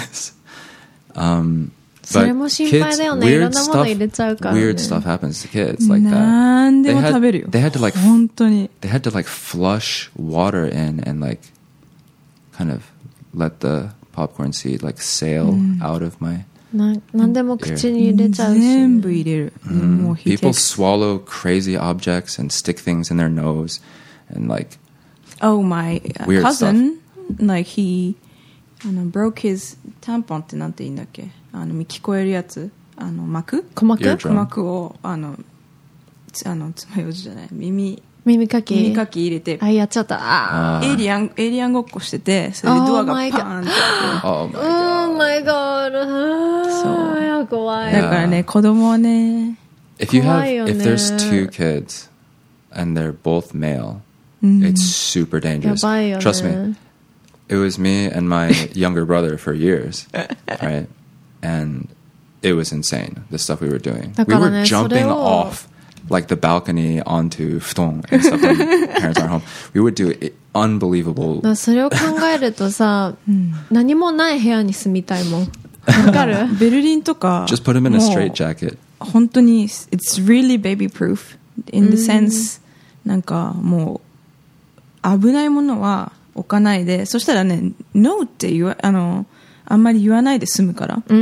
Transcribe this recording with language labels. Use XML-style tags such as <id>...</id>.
<en>this is. But kids, weird stuff happens to kids like that. They had to flush water in and like kind of let the popcorn seed like sail out of my</en> <ja>なんでも口に入れちゃうし、全部入れる。</ja> <en>People swallow crazy objects and stick things in their nose and like. Oh my weird cousin,、stuff. Like he, broke his tampon</en> <ja>ってなんて言うんだっけ、聞こえるやつ、膜？鼓膜？鼓膜を爪楊枝じゃない、耳かき入れて、あやっちゃった。エイリアンごっこしてて、それでドアがパーンって。</ja> <en>Oh my god. So, yeah.</en> <ja>だからね、子供はね、</ja> <en>if you have,</en> <ja>怖いよね。</ja> <en>If there's two kids and they're both male, it's super dangerous.</en> <ja>やばいよね。</ja> <en>Trust me. It was me and my younger brother for years, right? And it was insane, the stuff we were doing.</en> <ja>だからね、</ja> <en>we were jumping off. Like the balcony onto futon and stuff when parents aren't home. We would do unbelievable.</en> <ja>それを考えるとさ、何もない部屋に住みたいもん。わかる？ベルリンとか。</ja> <en>Just put him in a straight jacket.</en> <ja>本当に、</ja> <en>it's really baby proof. In the sense,</en> <ja>なんかもう、危ないものは置かないで、そしたらね、no って言わ、あんまり言わないで住むから。</ja>